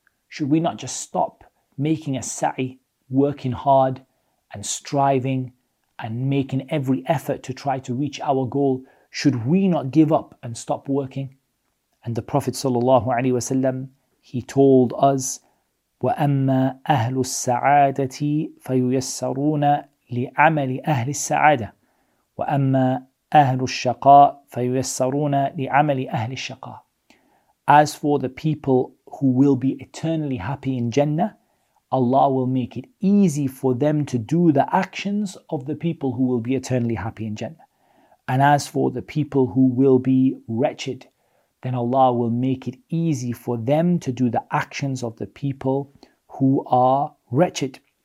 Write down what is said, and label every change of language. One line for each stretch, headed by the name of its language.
English: Should we not just stop making a sa'i, working hard and striving and making every effort to try to reach our goal? Should we not give up and stop working? And the Prophet ﷺ, he told us
Arabic: وأما أهل السعادة فييسرون لعمل أهل السعادة، وأما أهل الشقاء فييسرون لعمل أهل الشقاء.
English: As for the people who will be eternally happy in Jannah, Allah will make it easy for them to do the actions of the people who will be eternally happy in Jannah. And as for the people who will be wretched, then Allah will make it easy for them to do the actions of the people who are wretched.